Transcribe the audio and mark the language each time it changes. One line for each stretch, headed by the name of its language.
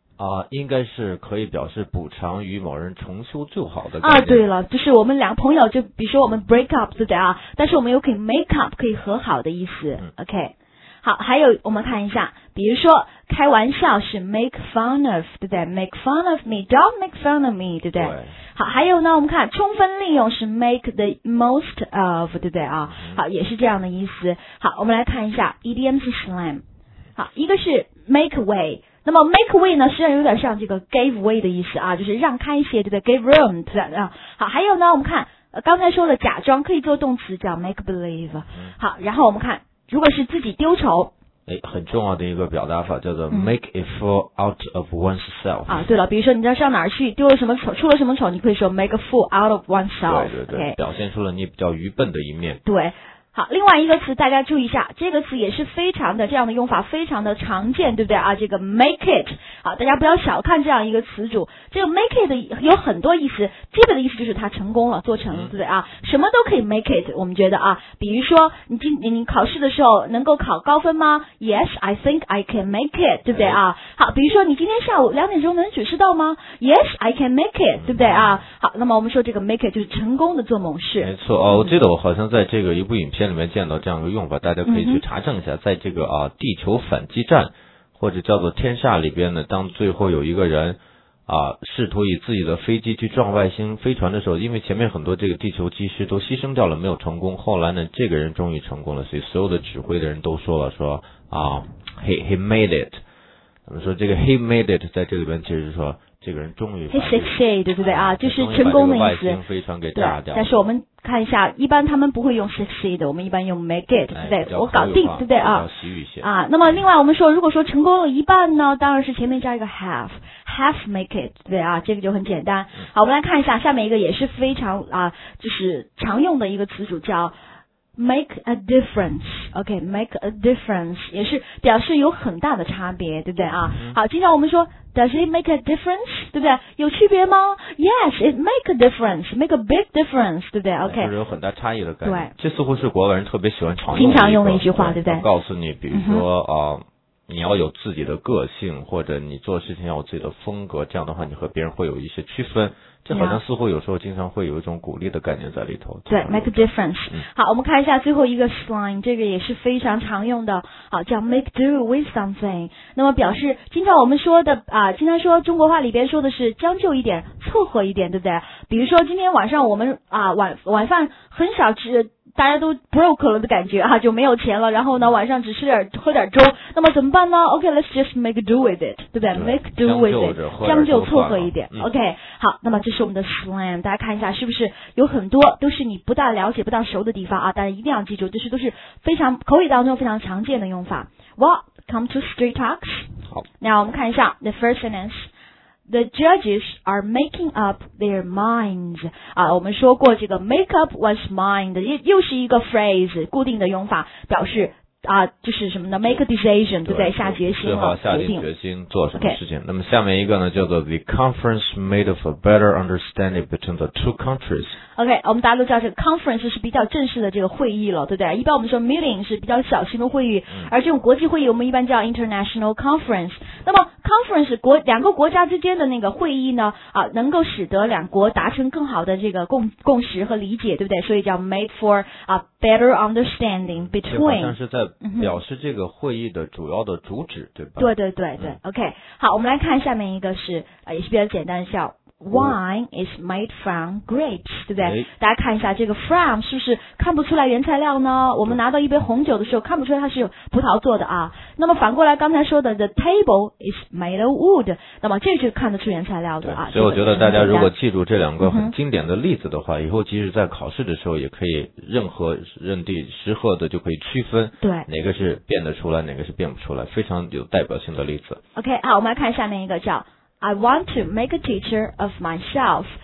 Chinese: 啊，应该是可以表示补偿与某人重修旧好的啊，对了，就是我们两个朋友，就比如说我们
English: break up，
Chinese: 对不对啊？但是我们又可以
English: make up，
Chinese: 可以和好的意思。嗯、OK。好，还有我们看一下，比如说开玩笑是
English: make fun of，
Chinese: 对不对？
English: make fun of me， don't make fun of me，
Chinese: 对不 对？对。好，还有呢，我们看充分利用是
English: make the most of，
Chinese: 对不对啊？好，也是这样的意思。好，我们来看一下
English: idiom slam。
Chinese: 好，一个是
English: make way，
Chinese: 那么 make way 呢，实际上有点像这个
English: give way
Chinese: 的意思啊，就是让开一些，对不对？
English: give room，
Chinese: 对不对啊？好，还有呢，我们看刚才说了假装可以做动词叫
English: make believe。
Chinese: 好，然后我们看如果是自己丢丑，哎，很重要的一个表达法叫做
English: make a fool out of oneself。
Chinese: 啊，对了，比如说你在上哪儿去丢了什么丑，出了什么丑，你可以说
English: make a fool out of oneself。
Chinese: 对对对，
English: okay，
Chinese: 表现出了你比较愚笨的一面。对，好，另外一个词大家注意一下，这个词也是非常的，这样的用法非常的常见，对不对啊？这个
English: make it，
Chinese: 好，大家不要小看这样一个词组，这个 make it 有很多意思，基本的意思就是它成功了，做成了，对不对啊？什么都可以
English: make it，
Chinese: 我们觉得啊，比如说你考试的时候能够考高分吗？
English: Yes， I think I can make it，
Chinese: 对不对啊？好，比如说你今天下午两点钟能准时到吗？
English: Yes， I can make it，
Chinese: 对不对啊？好，那么我们说这个
English: make it
Chinese: 就是成功的做某事。没错，哦，我记得我好像在这个一部影片里面见到这样的用法，大家可以去查证一下。在这个啊地球反击战或者叫做天煞里边呢，当最后有一个人啊试图以自己的飞机去撞外星飞船的时候，因为前面很多这个地球机师都牺牲掉了没有成功，后来呢这个人终于成功了，所以所有的指挥的人都说了说啊
English: he made it。
Chinese: 我们说这个
English: he made it
Chinese: 在这里边其实是说这个人终于
English: he succeed，
Chinese: 对不对啊？就是成功的意思。把这个外星飞船给炸掉。但是我们看一下，一般他们不会用 succeed， 我们一般用
English: make it，
Chinese: 对不对？我搞定，对不对啊？啊，那么另外我们说，如果说成功了一半呢，当然是前面加一个
English: half make it，
Chinese: 对啊，这个就很简单。好，我们来看一下下面一个也是非常啊，就是常用的一个词组叫
English: make a difference，
Chinese: OK， make a difference 也是表示有很大的差别，对不对啊？好，经常我们说
English: does it make a difference，
Chinese: 对不对？有区别吗？
English: Yes， it make a difference， make a big difference，
Chinese: 对不对？
English: OK，
Chinese: 就是有很大差异的感觉。对，这似乎是国外人特别喜欢常用的，经常用的一句话，对不对？告诉你，比如说啊，你要有自己的个性，或者你做事情要有自己的风格，这样的话你和别人会有一些区分。这好像似乎有时候经常会有一种鼓励的概念在里头。
English: 对 ，make a difference。
Chinese: 好，我们看一下最后一个 slang， 这个也是非常常用的，好，叫
English: make do with something。
Chinese: 那么表示经常我们说的啊，经常说中国话里边说的是将就一点，凑合一点，对不对？比如说今天晚上我们啊晚饭很少吃。大家都 broke 了的感觉啊，就没有钱了，然后呢晚上只吃点喝点粥，那么怎么办呢？
English: OK， let's just make do with it，
Chinese: 对不对？
English: make do with it，
Chinese: 将就凑合一点、嗯、 OK， 好，那么这是我们的 slang， 大家看一下是不是有很多都是你不大了解不大熟的地方啊，大家一定要记住，这是都是非常口语当中非常常见的用法。
English: Well， come to Street Talks。
Chinese: 好，
English: 那我们看一下 the first sentenceThe judges are making up their minds.
Chinese: 啊，我们说过这个
English: make up one's mind，
Chinese: 又是一个 phrase， 固定的用法，表示啊，就是什么呢 ？
English: Make a decision，
Chinese: 对不对？下决心了，最好下定决心做什么事情。
English: Okay.
Chinese: 那么下面一个呢，叫做
English: The conference made of a better understanding between the two countries。
Chinese: OK， 我们大家都知道这个 conference 是比较正式的这个会议了，对不对？一般我们说 meeting 是比较小型的会议，而这种国际会议我们一般叫
English: international conference。
Chinese: 那么 conference 两个国家之间的那个会议呢，啊，能够使得两国达成更好的这个共识和理解，对不对？所以叫
English: made for a better understanding between。
Chinese: 好像是在表示这个会议的主要的主旨，对吧？对对对对。 OK， 好，我们来看下面一个是也是比较简单的，叫。
English: Wine is made from grapes， 对不对？
Chinese: 大家看一下这个 from 是不是看不出来原材料呢？我们拿到一杯红酒的时候看不出来它是有葡萄做的啊。那么反过来刚才说的
English: the table is made of wood，
Chinese: 那么这就看得出原材料的啊。所以我觉得大家如果记住这两个很经典的例子的话，以后即使在考试的时候也可以任何认定时刻的就可以区分，对，哪个是变得出来哪个是变不出来，非常有代表性的例子。
English: OK，
Chinese: 好，我们来看下面一个叫
English: I want to make a teacher of myself。